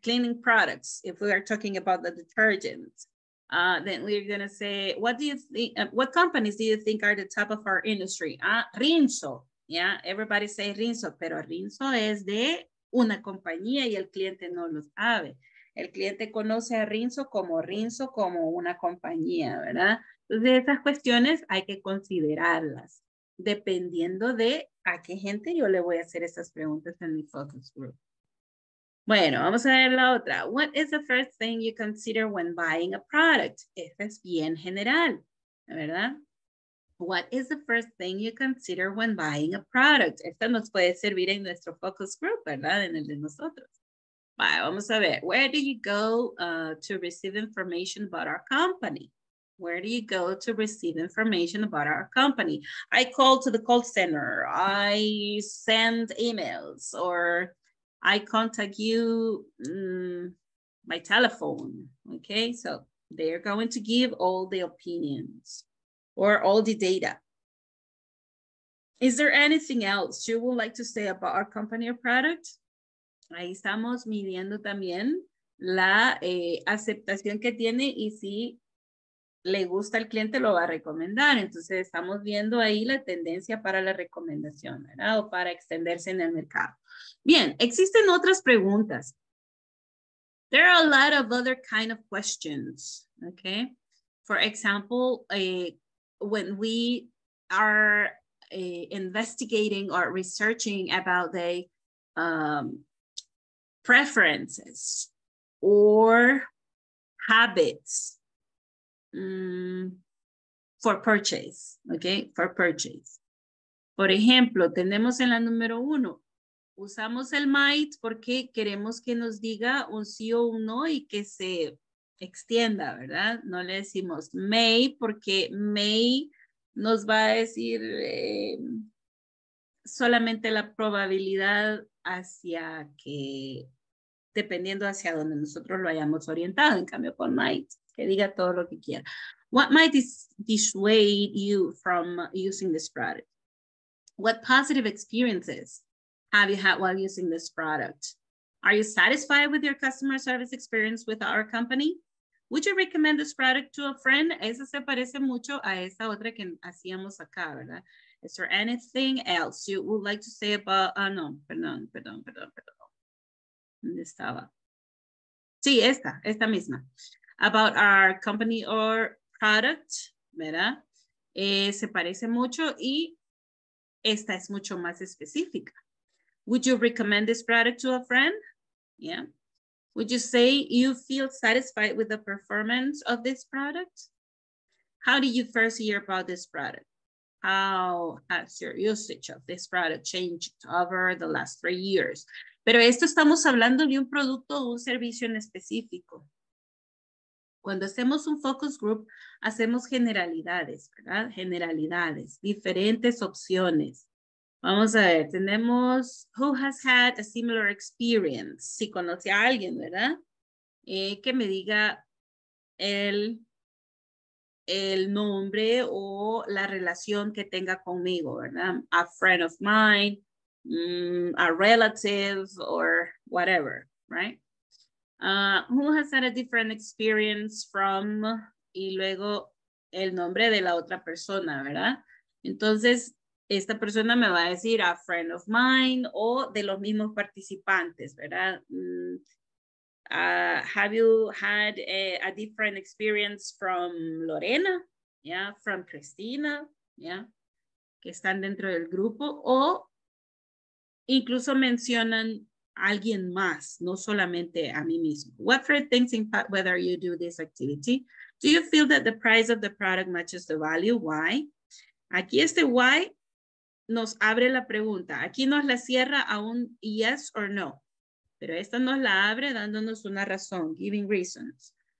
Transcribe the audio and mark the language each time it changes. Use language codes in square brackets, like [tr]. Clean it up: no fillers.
[en] Cleaning products, if we are talking about the detergent. Then we're gonna say, what companies do you think are the top of our industry? Rinso. Yeah, everybody say Rinso, [es] pero Rinso es de una compañía y el cliente no lo sabe. El cliente conoce a Rinso, como una compañía, ¿verdad? Entonces esas cuestiones hay que considerarlas dependiendo de a qué gente yo le voy a hacer esas preguntas en mi focus group. Bueno, vamos a ver la otra. [en] What is the first thing you consider when buying a product? [es] Esta es bien general, ¿verdad? [en] What is the first thing you consider when buying a product? [es] Esto nos puede servir en nuestro focus group, ¿verdad? En el de nosotros. Vale, vamos a ver. [en] Where do you go to receive information about our company? Where do you go to receive information about our company? I call to the call center, I send emails, or I contact you by telephone. Okay, so they're going to give all the opinions or all the data. Is there anything else you would like to say about our company or product? [es] Ahí estamos midiendo también la aceptación que tiene y si le gusta el cliente lo va a recomendar. Entonces estamos viendo ahí la tendencia para la recomendación, ¿verdad? O para extenderse en el mercado. Bien, existen otras preguntas. [en] There are a lot of other kind of questions, okay? For example, when we are investigating or researching about the preferences or habits for purchase, okay? For purchase. [es] Por ejemplo, tenemos en la número uno, usamos el might porque queremos que nos diga un sí o un no y que se extienda, ¿verdad? No le decimos may porque may nos va a decir solamente la probabilidad hacia que, dependiendo hacia donde nosotros lo hayamos orientado, en cambio con might, que diga todo lo que quiera. [en] What might dissuade you from using this product? What positive experiences have you had while using this product? Are you satisfied with your customer service experience with our company? Would you recommend this product to a friend? [es] Esa se parece mucho a esa otra que hacíamos acá, ¿verdad? [en] Is there anything else you would like to say about, [es] ¿Dónde estaba? Sí, esta misma. [en] About our company or product, [es] ¿verdad? Se parece mucho y esta es mucho más específica. [en] Would you recommend this product to a friend? Yeah. Would you say you feel satisfied with the performance of this product? How did you first hear about this product? How has your usage of this product changed over the last 3 years? [es] Pero esto estamos hablando de un producto o un servicio en específico. Cuando hacemos un focus group, hacemos generalidades, ¿verdad? Generalidades, diferentes opciones. Vamos a ver, tenemos, [en] who has had a similar experience? [es] Si conoce a alguien, ¿verdad? Que me diga el nombre o la relación que tenga conmigo, ¿verdad? [en] A friend of mine, a relative, or whatever, right? Who has had a different experience from, [es] y luego el nombre de la otra persona, ¿verdad? Entonces, esta persona me va a decir [en] a friend of mine [es] o de los mismos participantes, ¿verdad? [en] Have you had a different experience from Lorena? Yeah, from Cristina, yeah, [es] que están dentro del grupo o incluso mencionan a alguien más, no solamente a mí mismo. [en] What three things impact whether you do this activity? Do you feel that the price of the product matches the value? Why? [es] Aquí este why nos abre la pregunta. Aquí nos la cierra a un [en] yes or no. [es] Pero esta nos la abre dándonos una razón, [en] giving reasons.